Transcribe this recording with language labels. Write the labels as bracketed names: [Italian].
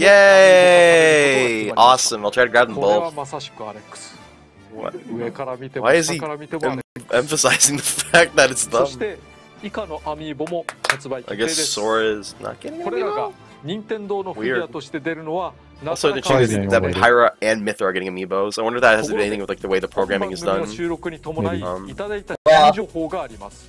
[English] Yay! Awesome. I'll try to grab them both. [Japanese] これはまさしくアレックス。 [English] What? [Japanese] 上から見ても下から見ても。 [English] Emphasizing the fact that it's dumb. [Japanese] そして以下のアミーボも発売決定です。 [English] I guess Sora is not getting it. [Japanese] これらが任天堂のフィギュアとして出るのはなかなか難しい。 [English] That Pyra and Mythra are getting Amiibos. I wonder if that has anything with like the way the programming is done. [Japanese] 収録に伴いいただいた新情報があります。